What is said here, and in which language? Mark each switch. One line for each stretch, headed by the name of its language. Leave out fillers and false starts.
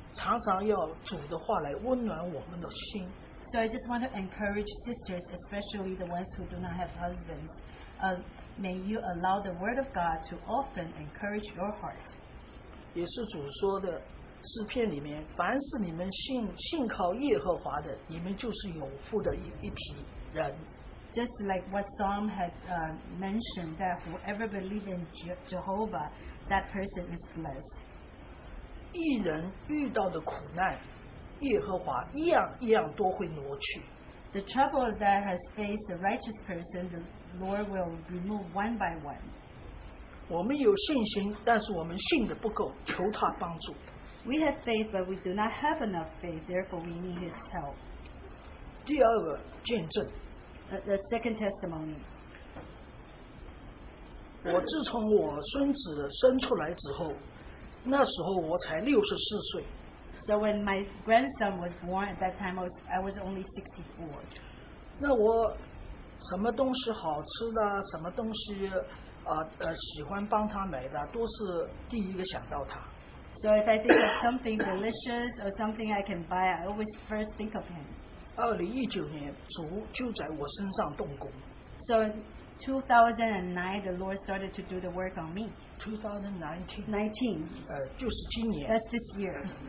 Chinese: 所以我希望我们一些姐妹们特别失去丈夫，真是常常要主的话来温暖我们的心。
English: So I just want to encourage sisters, especially the ones who do not have husbands, may you allow the word of God to often encourage your heart.
Chinese: 也是主说的，诗篇里面，凡是你们信靠耶和华的，你们就是有福的一批人。
English: Just like what Psalm had mentioned, that whoever believes in Jehovah, that person is blessed.
Chinese: 一人遇到的苦难，耶和华一样一样都会挪去。
English: The trouble that has faced the righteous person, the Lord will remove one by one.
Chinese: 我们有信心，但是我们信的不够，求他帮助。
English: We have faith, but we do not have enough faith. Therefore, we need his help.
Chinese: 第二个见证,
English: the second testimony.
Chinese: 我自从我孙子生出来之后, 那时候我才64岁。
English: So when my grandson was born at that time, I was only 64.
Chinese: 那我什么东西好吃的, 什么东西, 喜欢帮他买的, 都是第一个想到他。
English: So if I think of something delicious or something I can buy, I always first think of him.
Chinese: 2019年, 主就在我身上动工。
English: So in 2009, the Lord started to do the work on me.
Chinese: 2019.
English: 19. That's this year.